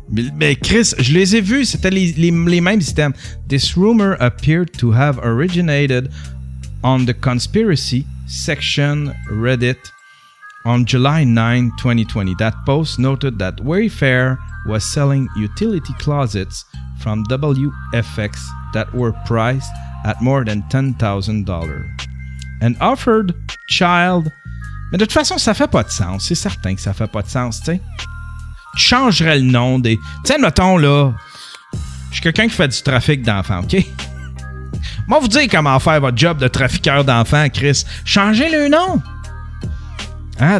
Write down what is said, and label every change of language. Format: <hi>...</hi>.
<fr>Mais Chris, je les ai vus, c'était les mêmes items.</fr> <en>This rumor appeared to have originated on the conspiracy section Reddit on July 9, 2020. That post noted that Wayfair was selling utility closets from WFX that were priced at more than $10,000 and offered child.</en> <fr>Mais de toute façon, ça fait pas de sens. C'est certain que ça fait pas de sens, tu sais. Tu changerais le nom des... Tu sais, mettons, là, je suis quelqu'un qui fait du trafic d'enfants, OK? Moi, vous dire comment faire votre job de trafiqueur d'enfants, Chris. Changez le nom. Hein?</fr>